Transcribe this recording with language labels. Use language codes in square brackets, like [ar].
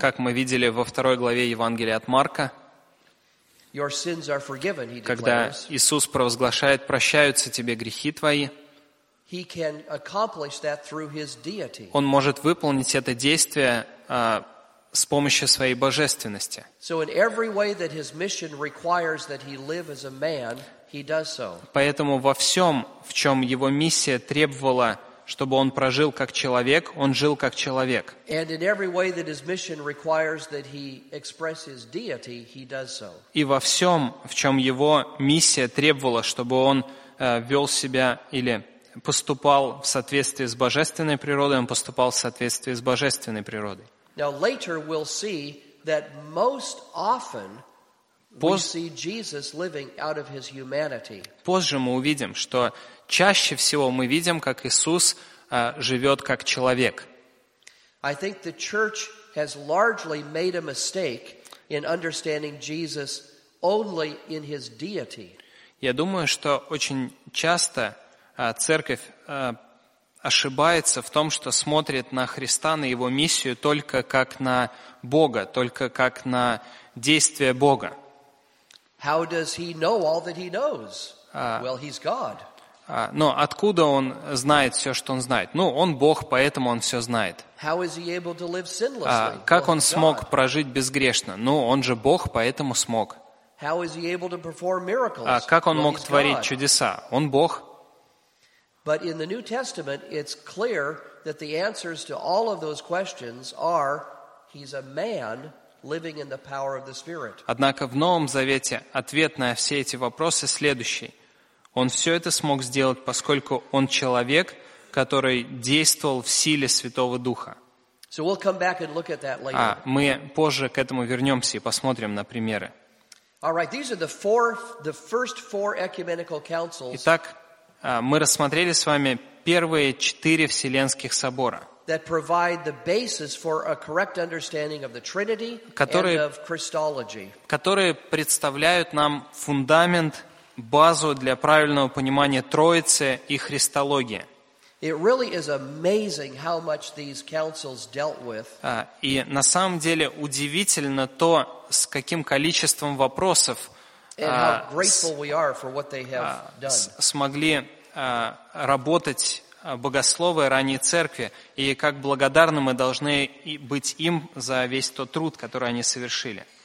[ru] как мы видели во второй главе Евангелия от Марка, [en] your sins are forgiven, he declares, [ru] когда Иисус провозглашает: «Прощаются тебе грехи твои», [en] he can accomplish that through his deity. [ru] Он может выполнить это действие с помощью своей божественности. [en] So in every way that his mission requires that he live as a man, he does so. [ru] Поэтому во всем, в чем его миссия требовала, чтобы он прожил как человек, он жил как человек. [en] And in every way that his mission requires that he express his deity, he does so. [ru] И во всем, в чем его миссия требовала, чтобы он вел себя или поступал в соответствии с божественной природой, он поступал в соответствии с божественной природой. [en] Now later we'll see that most often we see Jesus living out of his humanity. [ru] Позже мы увидим, что чаще всего мы видим, как Иисус живет как человек. [en] I think the church has largely made a mistake in understanding Jesus only in his deity. [ru] Я думаю, что очень часто церковь ошибается в том, что смотрит на Христа, на его миссию только как на Бога, только как на действие Бога. [en] How does he know all that he knows? Well, he's God. [ru] Но откуда он знает все, что он знает? Ну, он Бог, поэтому он все знает. [en] How is he able to live sinlessly? [ru] Как он смог прожить безгрешно? Ну, он же Бог, поэтому смог. [en] How is he able to perform miracles? [ru] Как он мог творить чудеса? Он Бог. [en] But in the New Testament, it's clear that the answers to all of those questions are, he's a man. Living in the power of the Spirit. [ru] Однако в Новом Завете ответ на все эти вопросы следующий. Он все это смог сделать, поскольку он человек, который действовал в силе Святого Духа. [en] So we'll come back and look at that later. [ru] Мы позже к этому вернемся и посмотрим на примеры. [en] All right, these are the first four ecumenical councils. [ru] Итак, мы рассмотрели с вами первые четыре Вселенских собора, [en] that provide the basis for a correct understanding of the Trinity and of Christology. [ru] Которые представляют нам фундамент, базу для правильного понимания Троицы и Христологии. [en] It really is amazing how much these councils dealt with. [ru] И на самом деле удивительно то, с каким количеством вопросов смогли работать богословы ранней церкви, и как благодарны мы должны быть им за весь тот труд, который они совершили.